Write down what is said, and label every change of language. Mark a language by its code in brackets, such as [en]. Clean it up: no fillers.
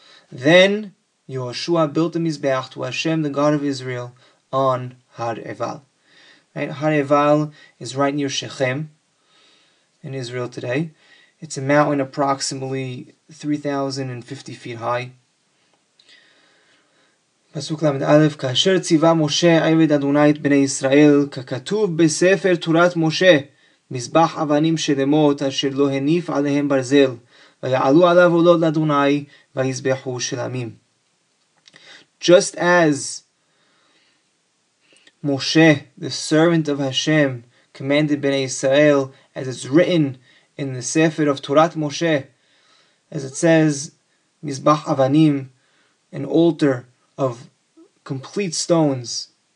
[en] Then Yehoshua built the mizbeach to Hashem, the God of Israel, on Har Eval. Right? Har Eval is right near Shechem in Israel today. It's a mountain approximately 3,050 feet high. [he] פסוק למד א', כאשר ציווה משה עבד אדוני את בני ישראל, ככתוב בספר תורת משה, מזבח אבנים שלמות אשר לא הניף עליהם ברזל, ויעלו עליו עולות לאדוני ויזבחו שלמים. [en] Just as Moshe, the servant of Hashem, commanded Bnei Yisrael, as it's written in the Sefer of Torat Moshe, as it says, Mizbach Avanim, an altar of complete stones,